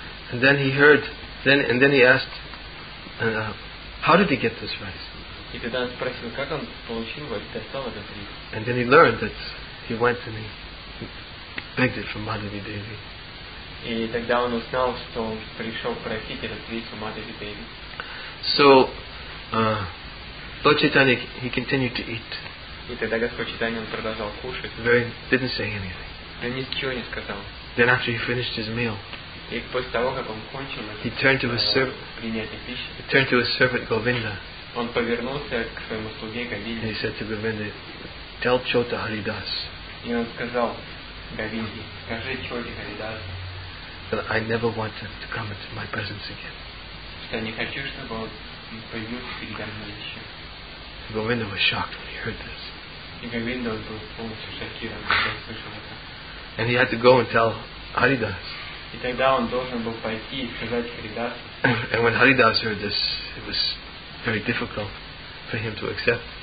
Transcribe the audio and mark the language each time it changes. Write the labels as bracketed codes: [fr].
[en] And then he heard, then he asked, how did he get this rice? [ru] И тогда он спросил, как он получил вот достал этот рис. [en] And then he learned that he went and he begged it from Madhavi Devi. [ru] И тогда он узнал, что он пришел просить этот рис у Мадхави Деви. [en] So, Lord Chaitanya, he continued to eat. [ru] И тогда Господь Чайтанья продолжал кушать. [en] Very, didn't say anything. [ru] Он ничего не сказал. [en] Then after he finished his meal, [ru] и после того, как он кончил, [en] he turned to his servant. [ru] Принятие пищи. [en] He turned to his servant Govinda. [ru] Он повернулся к своему слуге Говинде. [en] He said to Govinda, "Tell Chota Haridas." [ru] И он сказал Говинде, скажи Чоте Харидасу, [en] that I never want him to come into my presence again. [ru] Что не хочу, чтобы он появился передо мной еще. [en] Govinda was shocked when he heard this. And he had to go and tell Haridas. And when Haridas heard this, it was very difficult for him to accept.